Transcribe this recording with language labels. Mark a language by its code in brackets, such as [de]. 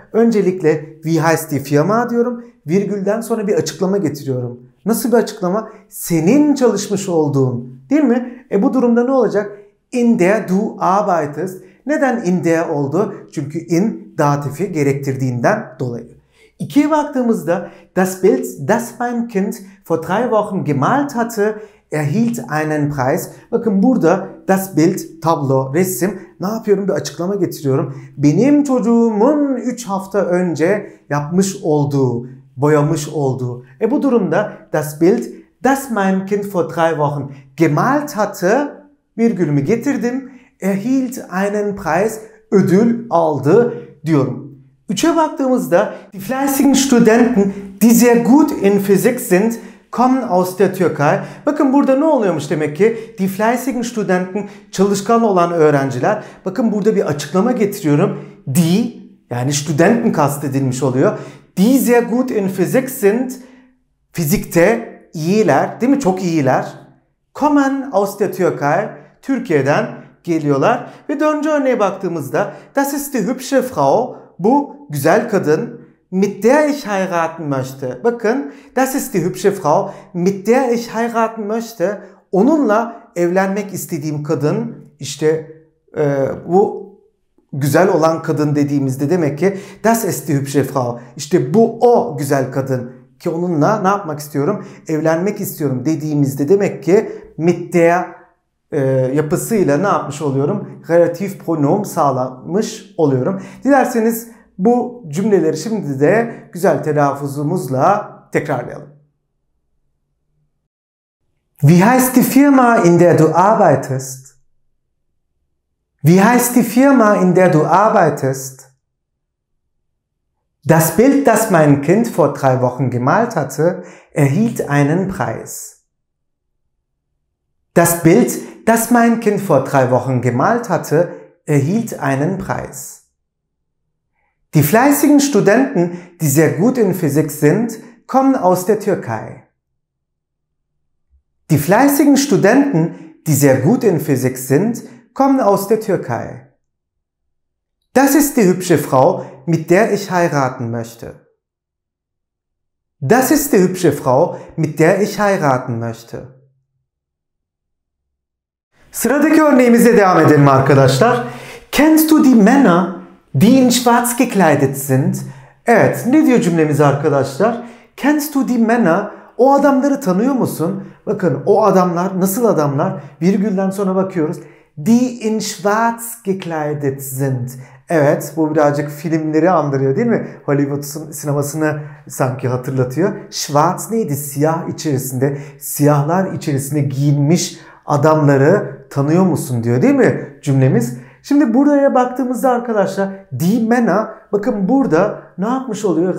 [tr] Öncelikle [de] wie heißt die Firma [tr] diyorum. Virgülden sonra bir açıklama getiriyorum. Nasıl bir açıklama? Senin çalışmış olduğun değil mi? Bu durumda ne olacak? [de] In der du arbeitest. [tr] Neden [de] in der [tr] oldu? Çünkü in datifi gerektirdiğinden dolayı. İkiye baktığımızda [de] das Bild, das mein Kind vor 3 Wochen gemalt hatte, erhielt einen Preis. [tr] Bakın burada das Bild, tablo, resim. Ne yapıyorum? Bir açıklama getiriyorum. Benim çocuğumun 3 hafta önce yapmış olduğu, boyamış olduğu. Bu durumda [de] das Bild, das mein Kind vor 3 Wochen gemalt hatte, [tr] virgülümü getirdim, [de] erhielt einen Preis, [tr] ödül aldı diyorum. Üçe baktığımızda [de] die fleißigen Studenten, die sehr gut in Physik sind, kommen aus der Türkei. [tr] Bakın burada ne oluyormuş demek ki? [de] Die fleißigen Studenten, [tr] çalışkan olan öğrenciler. Bakın burada bir açıklama getiriyorum. Die, yani Studenten kastedilmiş oluyor. [de] Die sehr gut in Physik sind, [tr] fizikte iyiler, değil mi? Çok iyiler. [de] Kommen aus der Türkei, [tr] Türkiye'den geliyorlar. Ve dördüncü örneğe baktığımızda [de] das ist die hübsche Frau, [tr] bu güzel kadın, [de] mit der ich heiraten möchte. [tr] Bakın, [de] das ist die hübsche Frau, mit der ich heiraten möchte. [tr] onunla evlenmek istediğim kadın, işte bu güzel olan kadın dediğimizde demek ki [de] das ist die hübsche Frau, [tr] işte bu o güzel kadın ki onunla ne yapmak istiyorum, evlenmek istiyorum dediğimizde demek ki mit der yapısıyla ne yapmış oluyorum, relatif pronom sağlamış oluyorum. Dilerseniz bu cümleleri şimdi de güzel telaffuzumuzla tekrarlayalım. [de] Wie heißt die Firma, in der du arbeitest? Wie heißt die Firma, in der du arbeitest? Das Bild, das mein Kind vor 3 Wochen gemalt hatte, erhielt einen Preis. Das Bild, das mein Kind vor 3 Wochen gemalt hatte, erhielt einen Preis. Die fleißigen Studenten, die sehr gut in Physik sind, kommen aus der Türkei. Die fleißigen Studenten, die sehr gut in Physik sind, kommen aus der Türkei. Das ist die hübsche Frau, mit der ich heiraten möchte. Das ist die hübsche Frau, mit der ich heiraten möchte. [tr] Sıradaki örneğimize devam edelim arkadaşlar. [de] Kennst du die Männer, die in schwarz gekleidet sind? [tr] Evet, ne diyor cümlemiz arkadaşlar? [de] Kennst du die Männer? [tr] O adamları tanıyor musun? Bakın, o adamlar nasıl adamlar? Virgülden sonra bakıyoruz. [de] Die in schwarz gekleidet sind. [tr] Evet, bu birazcık filmleri andırıyor değil mi? Hollywood sinemasını sanki hatırlatıyor. Schwarz neydi? Siyah içerisinde, siyahlar içerisinde giyinmiş adamları tanıyor musun diyor değil mi cümlemiz? Şimdi buraya baktığımızda arkadaşlar, [de] die Männer, [tr] bakın burada ne yapmış oluyor?